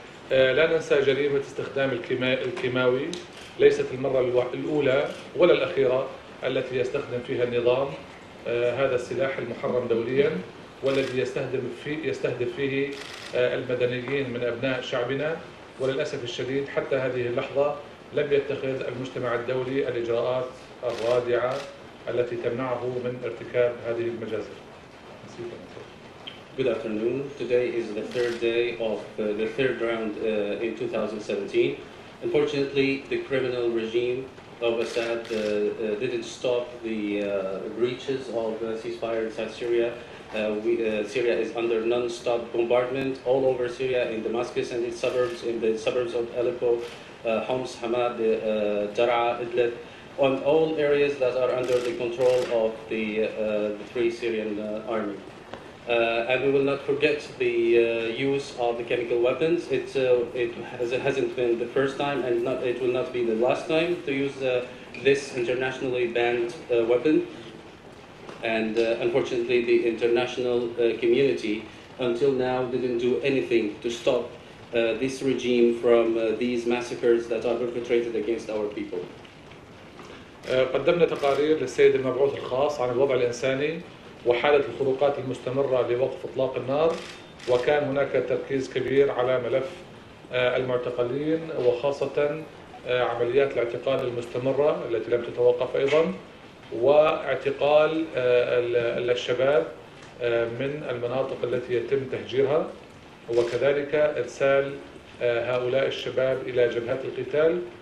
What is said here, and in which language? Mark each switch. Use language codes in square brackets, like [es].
[ar] لا ننسى جريمة استخدام الكيماوي، ليست المرة الأولى ولا الأخيرة التي يستخدم فيها النظام هذا السلاح المحرم دوليا، والذي يستهدف فيه المدنيين من أبناء شعبنا. وللأسف الشديد حتى هذه اللحظة لم يتخذ المجتمع الدولي الإجراءات الرادعة التي تمنعه من ارتكاب هذه المجازر. [en] Good afternoon. Today is the third day of the third round in 2017. Unfortunately, the criminal regime of Assad didn't stop the breaches of ceasefire inside Syria. Syria is under non-stop bombardment all over Syria, in Damascus and its suburbs, in the suburbs of Aleppo, Homs, Hama, Daraa, Idlib, on all areas that are under the control of the Free Syrian Army. And we will not forget the use of the chemical weapons. It hasn't been the first time, and it will not be the last time to use this internationally banned weapon. And unfortunately, the international community until now didn't do anything to stop this regime from these massacres that are perpetrated against our people. [ar] قدمنا تقارير للسيد المبعوث الخاص عن الوضع الإنساني وحالة الخروقات المستمرة لوقف إطلاق النار، وكان هناك تركيز كبير على ملف المعتقلين وخاصة عمليات الاعتقال المستمرة التي لم تتوقف أيضا، واعتقال الشباب من المناطق التي يتم تهجيرها، وكذلك إرسال هؤلاء الشباب إلى جبهات القتال.